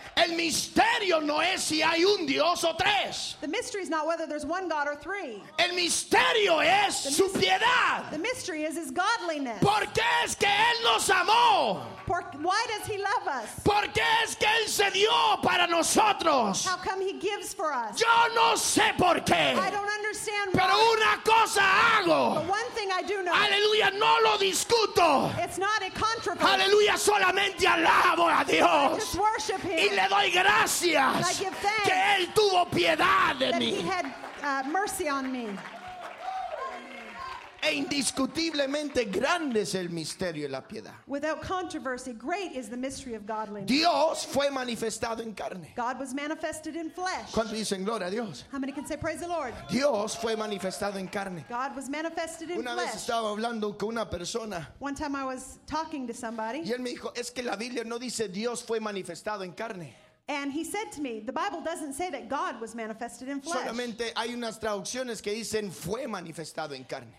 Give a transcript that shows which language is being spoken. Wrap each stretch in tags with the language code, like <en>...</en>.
<es>El misterio no es si hay un Dios o tres.</es> <en>The mystery is not whether there's one God or three.</en> <es>El misterio es su piedad.</es> <en>The mystery is his godliness.</en> <es>¿Por qué es que él nos amó?</es> <en>Why does he love us?</en> <es>¿Por qué es que él se dio para nosotros?</es> <en>How come he gives for us?</en> <es>Yo no sé por qué.</es> <en>I don't understand why.</en> <es>Pero una cosa hago.</es> <en>But one thing I do know.</en> <es>Aleluya, no lo discuto.</es> <en>It's not a controversy.</en> <es>Aleluya, solamente alabo a Dios.</es> <en>I just worship him.</en> <es>Y le doy gracias.</es> <en>And I give thanks.</en> <es>Que él tuvo piedad de mí.</es> <en>That he had mercy on me.</en> <es>E indiscutiblemente grande es el misterio de la piedad.</es> <en>Without controversy, great is the mystery of godliness.</en> <es>Dios fue manifestado en carne.</es> <en>God was manifested in flesh.</en> <es>¿Cuántos dicen gloria a Dios?</es> <en>How many can say praise the Lord?</en> <es>Dios fue manifestado en carne.</es> <en>God was manifested in</en> <es>una</es> <en>flesh.</en> <es>Una vez estaba hablando con una persona.</es> <en>One time I was talking to somebody.</en> <es>Y él me dijo, es que la Biblia no dice Dios fue manifestado en carne.</es> <en>And he said to me, the Bible doesn't say that God was manifested in flesh.</en> <es>Solamente hay unas traducciones que dicen fue manifestado en carne.</es>